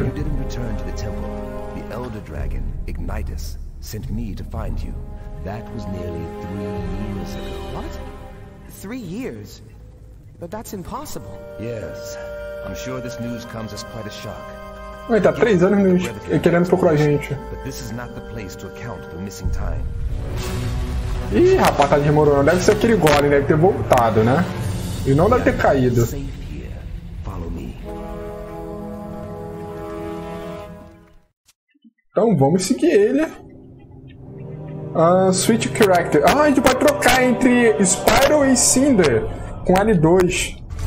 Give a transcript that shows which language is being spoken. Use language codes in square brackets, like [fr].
[en] You didn't return to the temple. The Elder Dragon, Ignitus, sent me to find you. That was nearly 3 years ago. What? 3 years? But that's impossible. Yes. I'm sure this news comes as quite a shock. Wait, [pt] tá 3 anos e querendo procurar a gente. [en] But this is not the place to account for missing time. [pt] Ih, rapaz, tá demorando. Deve ser aquele golem, deve ter voltado, né? E não deve ter caído. Então, vamos seguir ele. [en] Switch character. [pt] Ah, a gente pode trocar entre Spyro e Cinder com L2.